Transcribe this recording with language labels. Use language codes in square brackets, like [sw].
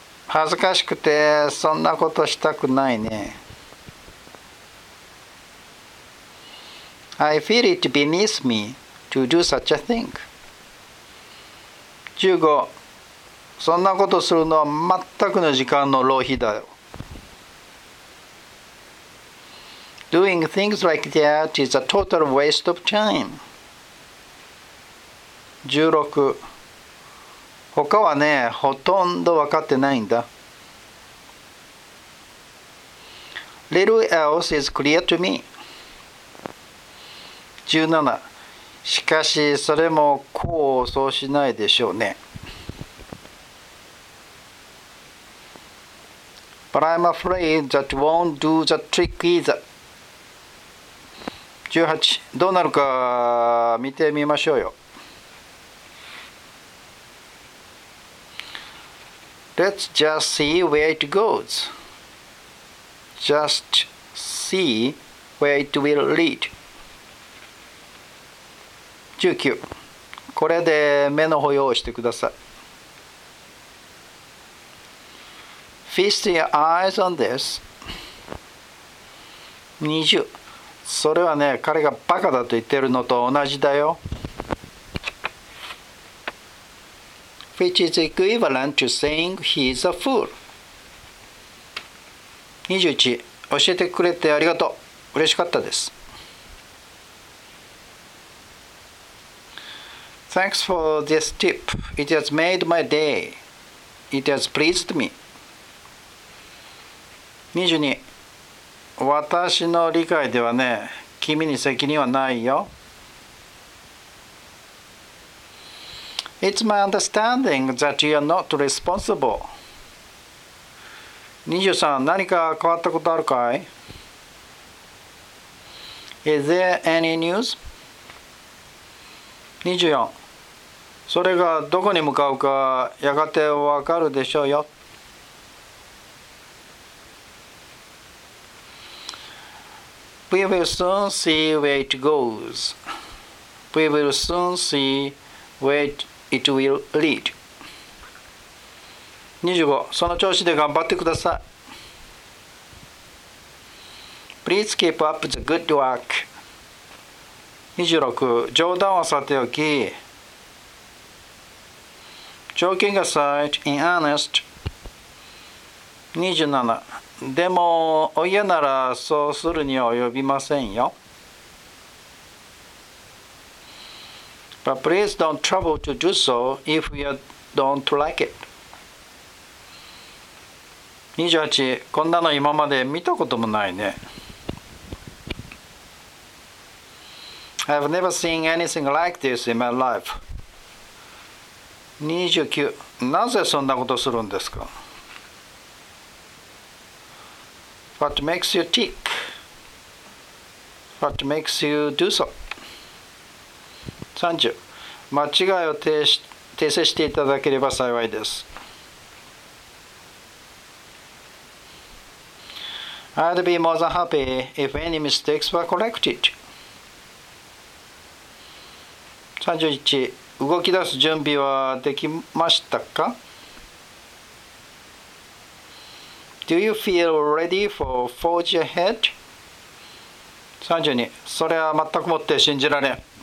[ja] 恥ずかしくてそんなことしたくないね。 [en] I feel it beneath me to do such a thing. 15. [ja] そんなことするのは全くの時間の浪費だよ。 [en] Doing things like that is a total waste of time. 16. [ja] 他はね、ほとんど分かってないんだ。 [en] Little else is clear to me. 17. [ja] しかし、それも功を奏しないでしょうね。 [en] But I'm afraid that won't do the trick either. 18. [ja] どうなるか見てみましょうよ。 [en] Let's just see where it goes. Just see where it will lead. 19. [ja] これで目の保養をしてください。 [en] Feast your eyes on this. 20. [ja] それはね、彼がバカだと言ってるのと同じだよ。 [en] Which is equivalent to saying he is a fool. 21. [ja] 教えてくれてありがとう。嬉しかったです。 [en] Thanks for this tip. It has made my day. It has pleased me. 22. [ja] 私の理解ではね、君に責任はないよ。 [en] It's my understanding that you are not responsible. 23. [ja] 何か変わったことあるかい? [en] Is there any news? 24. [ja] それがどこに向かうかやがてわかるでしょうよ。 [en] We will soon see where it goes. We will soon see where it will lead. 25. [ja] その調子で頑張ってください。 [en] Please keep up the good work. [ja] 26. 冗談はさておき。 [en] Joking aside, in earnest. 27. [ja] でも、お家ならそうするには及びませんよ。 [en] But please don't trouble to do so if you don't like it. 28. [ja] こんなの今まで見たこともないね。 [en] I've never seen anything like this in my life. 29. [ja] なぜそんなことするんですか？ [en] What makes you tick? What makes you do so? 30. [ja] 間違いを訂正していただければ幸いです。 [en] I'd be more than happy if any mistakes were corrected. 31. [ja] 動き出す準備はできましたか？ [en] Do you feel ready for forge ahead? 32. [ja] それは全くもって信じられん。